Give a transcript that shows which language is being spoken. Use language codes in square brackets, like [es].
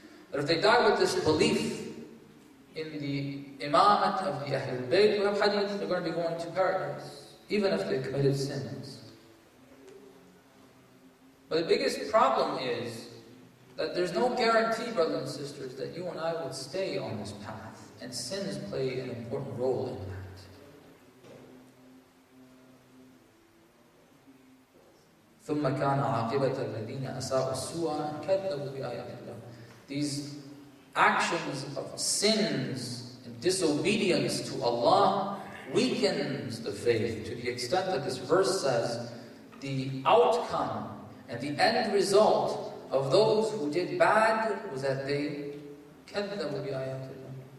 [en] But if they die with this belief in the imamat of the Ahlul Bayt, we have hadith, they're going to be going to paradise, even if they committed sins. But the biggest problem is that there's no guarantee, brothers and sisters, that you and I would stay on this path. And sins play an important role in that. [ar] ثُمَّ كَانَ عَقِبَةَ الَّذِينَ أَسَاءُوا السُّوءَ كَذَّبُوا بِآيَاتِ اللَّهِ. [en] These actions of sins and disobedience to Allah weakens the faith to the extent that this verse says the outcome and the end result of those who did bad was that they kadhabu bi ayatillah.